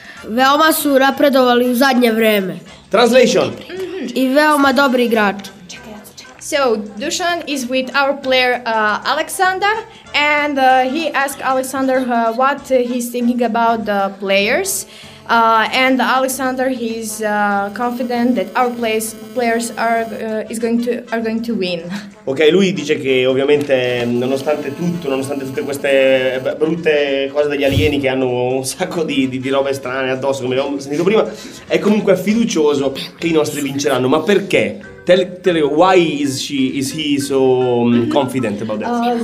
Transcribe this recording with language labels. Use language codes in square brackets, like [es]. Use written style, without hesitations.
[sr] Веома су напредовали у заднје време. [en] Translation. [sr] И веома добри играч. [en] So, Dušan is with our player Alexander, and he asked Alexander what he's thinking about the players. And Alexander, he's confident that our players are going to win. [it] Ok, lui dice che ovviamente nonostante tutte queste brutte cose degli alieni che hanno un sacco di robe strane addosso, come abbiamo sentito prima, è comunque fiducioso che i nostri vinceranno. Ma perché? [en] Tell you, why is he so confident about that?